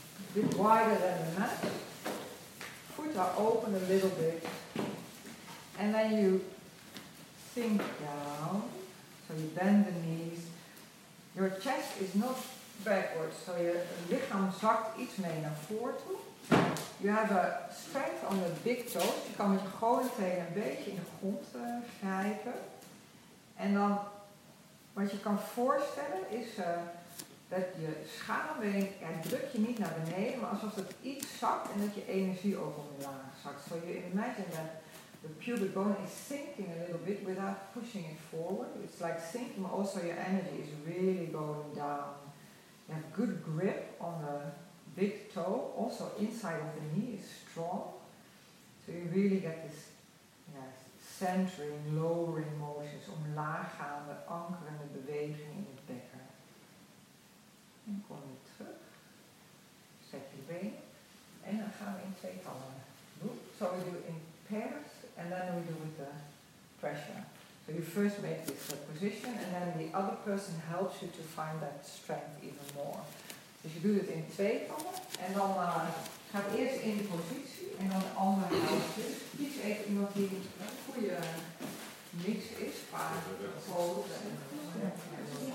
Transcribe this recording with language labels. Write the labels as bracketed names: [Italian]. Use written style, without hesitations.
[English] A bit wider than the mat. Foot are open a little bit. And then you sink down. So you bend the knees. Your chest is not backwards. So your [Dutch] lichaam zakt iets mee naar voren toe. [English] You have a strength on the big toes. [Dutch] Je kan met je gewone tenen een beetje in de grond grijpen. En dan, wat je kan voorstellen is dat je schaambeen, ja, druk je niet naar beneden, maar alsof het iets zakt en dat je energie ook omlaag zakt. [English] So you imagine that the pubic bone is sinking a little bit without pushing it forward. It's like sinking, but also your energy is really going down. You have good grip on the big toe, also inside of the knee is strong. So you really get this, yes. Centering, lowering motions, [Dutch] omlaaggaande, ankerende beweging in het bekken. En kom je terug. Zet je been. En dan gaan we in twee tallen doen. [English] So we do in pairs and then we do with the pressure. So you first make this position and then the other person helps you to find that strength even more. [Dutch] Dus je doet het in twee tallen en dan gaat eerst in de positie en dan de andere helft. Kies even iemand die een goede mix is, paard, poot en